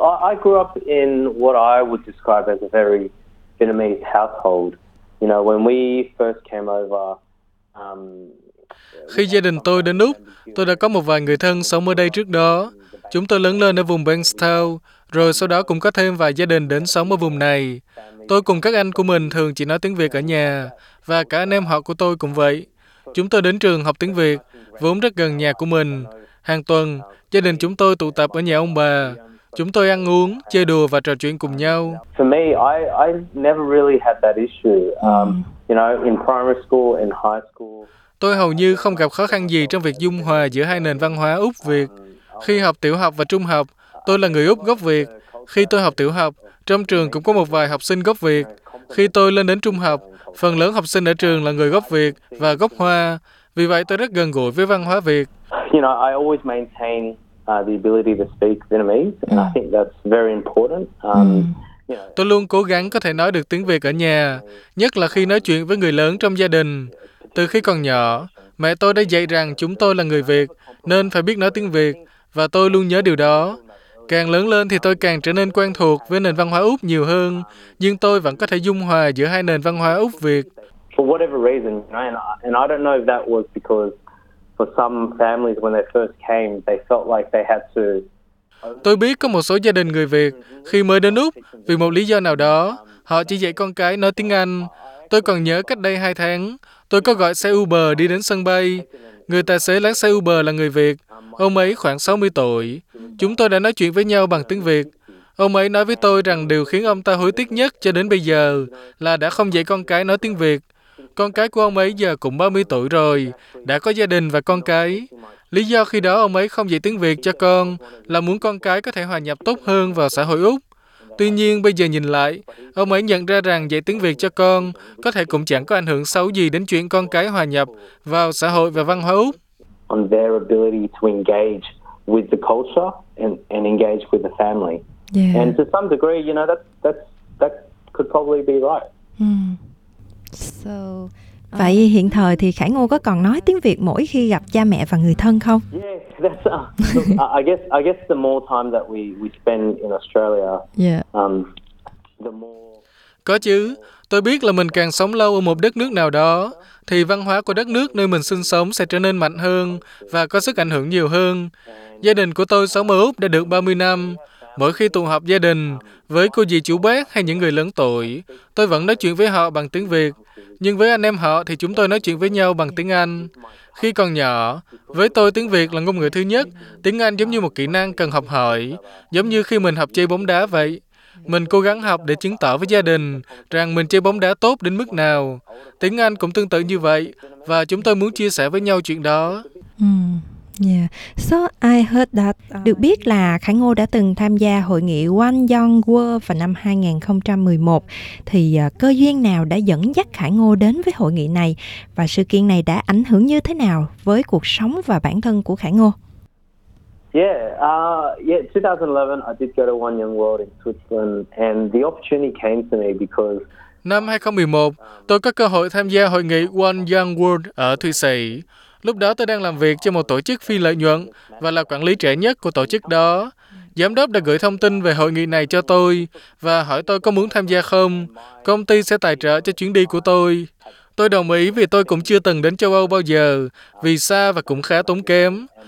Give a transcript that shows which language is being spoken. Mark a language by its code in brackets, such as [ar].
[en] I grew up in what I would describe as a very Vietnamese household. You know, when we first came over, [vi] khi gia đình tôi đến Úc, tôi đã có một vài người thân sống ở đây trước đó. Chúng tôi lớn lên ở vùng Bankstown, rồi sau đó cũng có thêm vài gia đình đến sống ở vùng này. Tôi cùng các anh của mình thường chỉ nói tiếng Việt ở nhà, và cả anh em họ của tôi cũng vậy. Chúng tôi đến trường học tiếng Việt, vốn rất gần nhà của mình. Hàng tuần, gia đình chúng tôi tụ tập ở nhà ông bà. Chúng tôi ăn uống, chơi đùa và trò chuyện cùng nhau. [en] For me, I never really had that issue. You know, in primary school, in high school. [vi] Tôi hầu như không gặp khó khăn gì trong việc dung hòa giữa hai nền văn hóa Úc Việt. Khi học tiểu học và trung học, tôi là người Úc gốc Việt. Khi tôi học tiểu học, trong trường cũng có một vài học sinh gốc Việt. Khi tôi lên đến trung học, phần lớn học sinh ở trường là người gốc Việt và gốc Hoa. Vì vậy tôi rất gần gũi với văn hóa Việt. [en] You know, I always maintain the ability to speak Vietnamese, and I think that's very important. [vi] Tôi luôn cố gắng có thể nói được tiếng Việt ở nhà, nhất là khi nói chuyện với người lớn trong gia đình. Từ khi còn nhỏ, mẹ tôi đã dạy rằng chúng tôi là người Việt, nên phải biết nói tiếng Việt, và tôi luôn nhớ điều đó. Càng lớn lên thì tôi càng trở nên quen thuộc với nền văn hóa Úc nhiều hơn, nhưng tôi vẫn có thể dung hòa giữa hai nền văn hóa Úc Việt. [en] For whatever reason, and I don't know if that was because for some families when they first came, they felt like they had to. [vi] Tôi biết có một số gia đình người Việt khi mới đến Úc, vì một lý do nào đó, họ chỉ dạy con cái nói tiếng Anh. Tôi còn nhớ cách đây 2 tháng, tôi có gọi xe Uber đi đến sân bay. Người tài xế lái xe Uber là người Việt. Ông ấy khoảng 60 tuổi. Chúng tôi đã nói chuyện với nhau bằng tiếng Việt. Ông ấy nói với tôi rằng điều khiến ông ta hối tiếc nhất cho đến bây giờ là đã không dạy con cái nói tiếng Việt. Con cái của ông ấy giờ cũng 30 tuổi rồi, đã có gia đình và con cái. Lý do khi đó ông ấy không dạy tiếng Việt cho con là muốn con cái có thể hòa nhập tốt hơn vào xã hội Úc. Tuy nhiên, bây giờ nhìn lại, ông ấy nhận ra rằng dạy tiếng Việt cho con có thể cũng chẳng có ảnh hưởng xấu gì đến chuyện con cái hòa nhập vào xã hội và văn hóa Úc. [en] On their ability to engage with the culture and engage with the family. Yeah. And to some degree, you know, that could probably be right. [vi] So, vậy hiện thời thì Khải Ngô có còn nói tiếng Việt mỗi khi gặp cha mẹ và người thân không? [en] Yeah, that's I guess the more time that we spend in Australia. Yeah. [vi] Có chứ. Tôi biết là mình càng sống lâu ở một đất nước nào đó, thì văn hóa của đất nước nơi mình sinh sống sẽ trở nên mạnh hơn và có sức ảnh hưởng nhiều hơn. Gia đình của tôi sống ở Úc đã được 30 năm. Mỗi khi tụ họp gia đình, với cô dì chú bác hay những người lớn tuổi, tôi vẫn nói chuyện với họ bằng tiếng Việt. Nhưng với anh em họ thì chúng tôi nói chuyện với nhau bằng tiếng Anh. Khi còn nhỏ, với tôi tiếng Việt là ngôn ngữ thứ nhất, tiếng Anh giống như một kỹ năng cần học hỏi, giống như khi mình học chơi bóng đá vậy. mình cố gắng học để chứng tỏ với gia đình rằng mình chơi bóng đá tốt đến mức nào. Tiếng Anh cũng tương tự như vậy, và chúng tôi muốn chia sẻ với nhau chuyện đó. [en] So I heard that. [vi] Được biết là Khải Ngô đã từng tham gia hội nghị One Young World vào năm 2011. Thì cơ duyên nào đã dẫn dắt Khải Ngô đến với hội nghị này? Và sự kiện này đã ảnh hưởng như thế nào với cuộc sống và bản thân của Khải Ngô? [en] Yeah, 2011 I did go to One Young World in Switzerland, and the opportunity came to me because [vi] Năm 2011, tôi có cơ hội tham gia hội nghị One Young World ở Thụy Sĩ. Lúc đó tôi đang làm việc cho một tổ chức phi lợi nhuận và là quản lý trẻ nhất của tổ chức đó. Giám đốc đã gửi thông tin về hội nghị này cho tôi và hỏi tôi có muốn tham gia không. Công ty sẽ tài trợ cho chuyến đi của tôi. Tôi đồng ý vì tôi cũng chưa từng đến châu Âu bao giờ, vì xa và cũng khá tốn kém.